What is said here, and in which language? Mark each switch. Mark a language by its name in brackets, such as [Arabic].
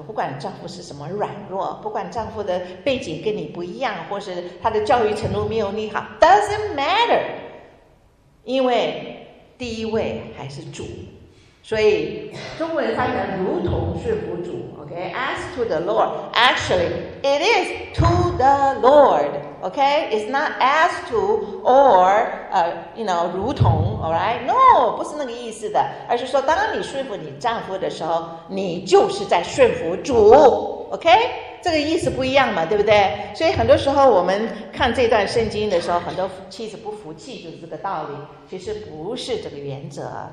[Chinese] 不管丈夫是什么软弱，不管丈夫的背景跟你不一样，或是他的教育程度没有你好， [English] doesn't matter。 [Chinese] 因为第一位还是主，所以中文翻译如同顺服主。 [English] Okay, as to the Lord. Actually, it is to the Lord. Okay, it's not as to or, you know, 如同, all right? [Chinese] No, 不是那个意思的，而是说当你顺服你丈夫的时候，你就是在顺服主。 [English] Okay? [Chinese] 这个意思不一样嘛，对不对？所以很多时候我们看这段圣经的时候，很多妻子不服气，就是这个道理，其实不是这个原则。